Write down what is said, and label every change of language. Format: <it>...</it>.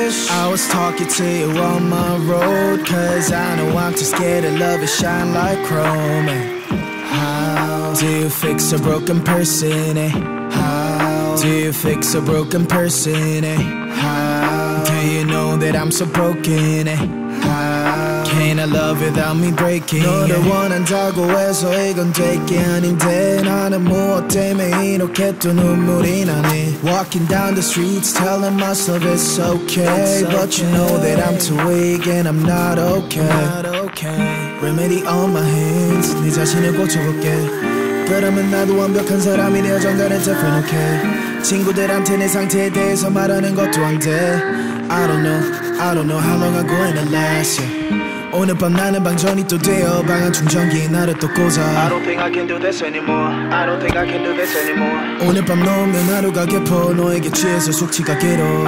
<en>I was talking to you on my road, cause I know I'm too scared of love, it shine like chrome. Do you fix a broken person, eh? How? Do you fix a broken person, eh? How? Do you know that I'm so broken, eh? How? Can't I love without me breaking, eh?</en> <ko>너를 원한다고 해서 이건 될 게 아닌데 나는 무엇 때문에 이렇게 또 눈물이 나네.</ko> <en>Walking down the streets telling myself it's okay, but you know that I'm too weak and I'm not okay. Remedy on my hands,</en> <ko>네 자신을 고쳐볼게. 그러면 나도 완벽한 사람이 되어 전달해 줘, okay. 친구들한테 내 상태에 대해서 말하는 것도 안 돼.</ko> <en>I don't know how long I'm gonna last, yeah.</en> <ko>오늘 밤 나는 방전이 또 되어 방 안 충전기 나를 또 꽂아.</ko> <en>I don't think I can do this anymore.</en> <ko>오늘 밤 넘으면 하루가 깊어 너에게 취해서 숙취가 길어.</ko>